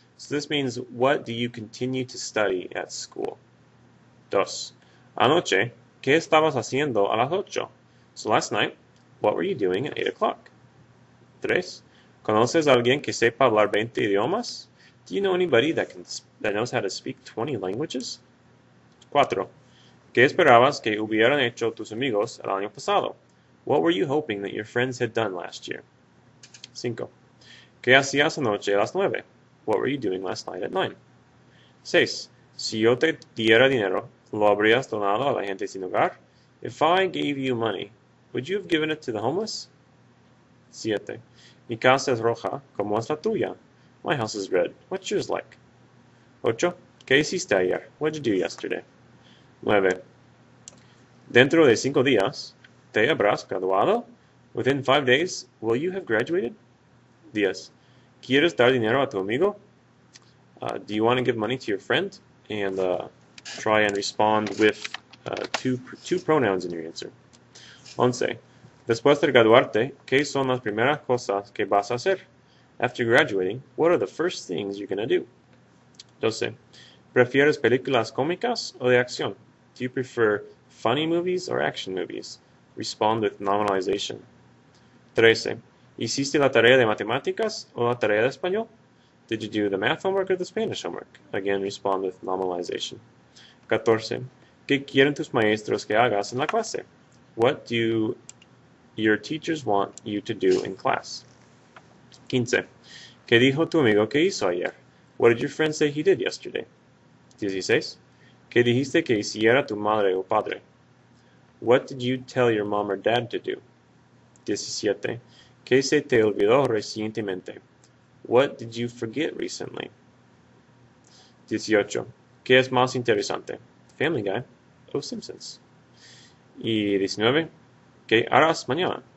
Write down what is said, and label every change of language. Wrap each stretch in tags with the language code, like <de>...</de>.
<en>So this means, what do you continue to study at school?</en> <es>Dos. Anoche, ¿qué estabas haciendo a las ocho?</es> <en>So last night, what were you doing at 8 o'clock?</en> <es>Tres. ¿Conoces a alguien que sepa hablar 20 idiomas?</es> <en>Do you know anybody that knows how to speak 20 languages?</en> <es>Cuatro. ¿Qué esperabas que hubieran hecho tus amigos el año pasado?</es> <en>What were you hoping that your friends had done last year?</en> <es>Cinco. ¿Qué hacías anoche a las 9?</es> <en>What were you doing last night at 9?</en> <es>Seis. Si yo te diera dinero, ¿lo habrías donado a la gente sin hogar?</es> <en>If I gave you money, would you have given it to the homeless?</en> <es>Siete. Mi casa es roja, ¿cómo es la tuya?</es> <en>My house is red, what's yours like?</en> <es>Ocho, ¿qué hiciste ayer?</es> <en>What did you do yesterday?</en> <es>Nueve, dentro de 5 días, ¿te habrás graduado?</es> <en>Within 5 days, will you have graduated?</en> <es>Diez, ¿quieres dar dinero a tu amigo?</es> <en>Do you want to give money to your friend? And try and respond with two pronouns in your answer.</en> <es>Once. Después de graduarte, ¿qué son las primeras cosas que vas a hacer?</es> <en>After graduating, what are the first things you're going to do? 12.</en> <es>¿Prefieres películas cómicas o de acción?</es> <en>Do you prefer funny movies or action movies? Respond with nominalization. 13.</en> <es>¿Hiciste la tarea de matemáticas o la tarea de español?</es> <en>Did you do the math homework or the Spanish homework? Again, respond with nominalization. 14.</en> <es>¿Qué quieren tus maestros que hagas en la clase?</es> <en>What do you Your teachers want you to do in class? 15.</en> <es>¿Qué dijo tu amigo que hizo ayer?</es> <en>What did your friend say he did yesterday? 16.</en> <es>¿Qué dijiste que hiciera tu madre o padre?</es> <en>What did you tell your mom or dad to do?</en> <es>17. ¿Qué se te olvidó recientemente?</es> <en>What did you forget recently? 18.</en> <es>¿Qué es más interesante? Family Guy o Simpsons? Y 19. ¿Qué harás mañana?</es>